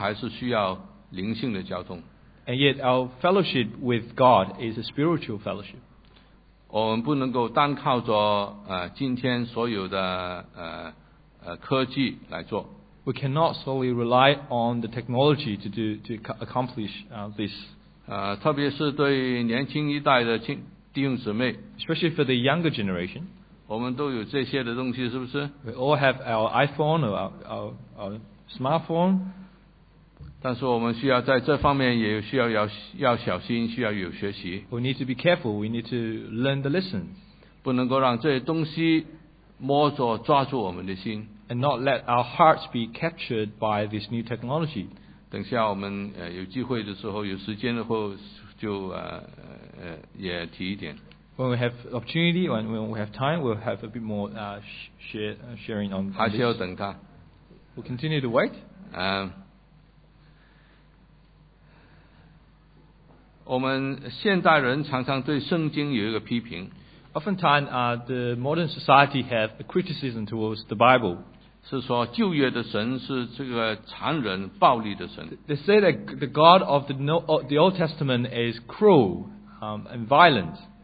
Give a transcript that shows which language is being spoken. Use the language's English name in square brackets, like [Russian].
[Chinese] 我们人与神之间的交通还是需要灵性的交通。 [English] And yet our fellowship with God is a spiritual fellowship. [Chinese] 我们不能够单靠着, 今天所有的, 科技来做。 [English] We cannot solely rely on the technology to accomplish this. [Chinese] 特别是对年轻一代的弟兄姊妹, [English] especially for the younger generation, [Chinese] 我们都有这些的东西，是不是？ [English] We all have our iPhone or our smartphone. [Chinese] 但是我们需要在这方面也需要 要小心，需要有学习。 [English] We need to be careful. We need to learn the lesson. [Chinese] 不能够让这些东西摸着抓住我们的心。 [English] And not let our hearts be captured by this new technology. [Chinese] 等下我们有机会的时候，有时间的时候就也提一点。 [English] When we have opportunity, when we have time, we'll have a bit more sharing on this. [Chinese] 还需要等他。 [English] We'll continue to wait. [Chinese] 我们现代人常常对圣经有一个批评。 [English] Oftentimes, the modern society have a criticism towards the Bible. [Chinese] 是说旧约的神是这个残忍暴力的神。 [English] They say that the God of the Old Testament is cruel, and violent.